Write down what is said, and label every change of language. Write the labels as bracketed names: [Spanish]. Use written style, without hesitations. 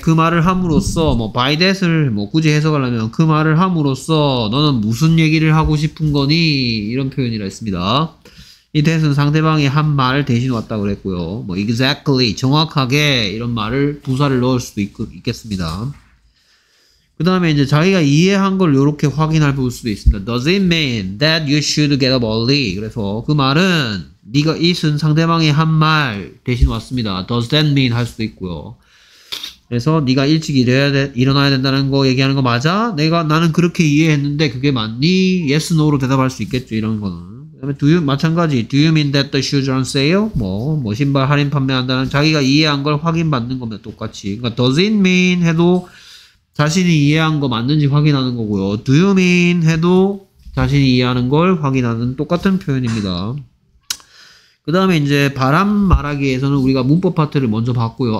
[Korean] 그 말을 함으로써 뭐 [English] by that [Korean] 을 뭐 굳이 해석하려면, 그 말을 함으로써 너는 무슨 얘기를 하고 싶은 거니? 이런 표현이라 있습니다. 이 that은 상대방이 한 말을 대신 왔다고 그랬고요. 뭐 exactly, 정확하게 이런 말을 부사를 넣을 수도 있겠습니다. 그 다음에 이제 자기가 이해한 걸 이렇게 확인할 볼 수도 있습니다. [English] Does it mean that you should get up early? [Korean] 그래서 그 말은 네가 it은 상대방이 한말 대신 왔습니다. [English] Does that mean [Korean] 할 수도 있고요. 그래서 네가 일찍 일어나야 된다는 거 얘기하는 거 맞아? 나는 그렇게 이해했는데 그게 맞니? Yes, no로 대답할 수 있겠죠. 이런 거는. 마찬가지, [English] Do you mean that the shoes are on sale? [Korean] 뭐 신발 할인 판매한다는, 자기가 이해한 걸 확인받는 거면 똑같이. 그러니까 [English] Does it mean [Korean] 해도 자신이 이해한 거 맞는지 확인하는 거고요. [English] Do you mean [Korean] 해도 자신이 이해하는 걸 확인하는, 똑같은 표현입니다. 그 다음에 이제 바람 말하기에서는 우리가 문법 파트를 먼저 봤고요.